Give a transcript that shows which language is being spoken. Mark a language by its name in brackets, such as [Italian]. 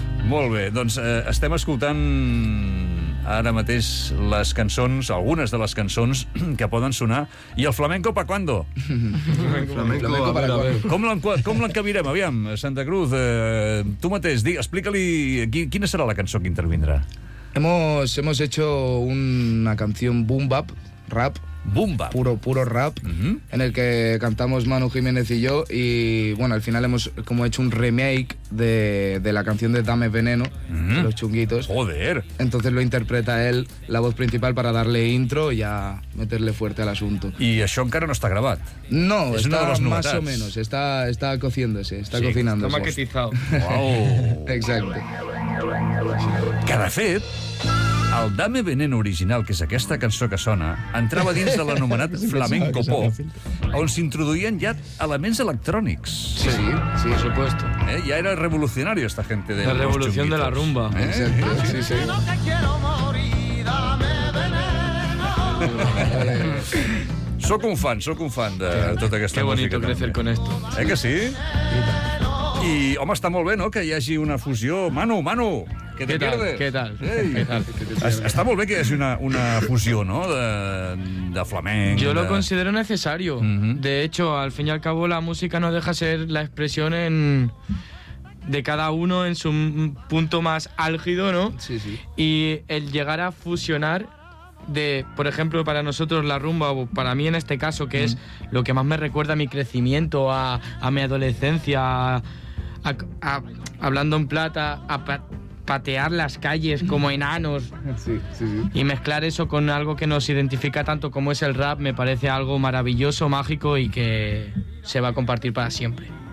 [Catalan] Molt bé, doncs estem escoltant ara mateix les cançons, algunes de les cançons que poden sonar. [Spanish] I el flamenco pa cuando? Flamenco, [Catalan] com l'encabirem, aviam, Santa Cruz? Tu mateix, explica-li quina serà la cançó que intervindrà. [Spanish] Hemos hecho una canción boom bap, rap. Bumba. Puro rap, en el que cantamos Manu Jiménez y yo. Y bueno, al final hemos como hecho un remake de la canción de Dame Veneno, de Los Chunguitos. Joder. Entonces lo interpreta él, la voz principal, para darle intro y a meterle fuerte al asunto. [Catalan] ¿Y això encara no está grabat? [Spanish] No, es está más o menos. Está cociéndose, está sí, cocinándose. Está maquetizado. Wow. Exacto. [Catalan] Que de fet... El Dame Veneno original, que és aquesta cançó que sona, entrava dins de l'anomenat flamenco pop, on s'introduïen ja elements electrònics. [Spanish] Sí, sí, sí, por supuesto. Ja era revolucionario esta gente de la revolución de la rumba. Sí, sí. No te quiero morir, dame veneno. [Catalan] Sóc un fan de tota aquesta música. [Spanish] Qué bonito crecer con esto. [Catalan] Eh que sí? I, home, està molt bé, no?, que hi hagi una fusió... [Spanish] Manu, que te pierdes. ¿Qué tal? [Catalan] Està molt bé que hi hagi una fusió, no?, de flamenc... [Spanish] Yo de... lo considero necesario. De hecho, al fin y al cabo, la música no deja ser la expresión de cada uno en su punto más álgido, ¿no? Sí, sí. Y el llegar a fusionar de, por ejemplo, para nosotros la rumba, o para mí en este caso, que es lo que más me recuerda a mi crecimiento, a mi adolescencia, a hablando en plata, a patear las calles como enanos, y mezclar eso con algo que nos identifica tanto como es el rap, me parece algo maravilloso, mágico y que se va a compartir para siempre.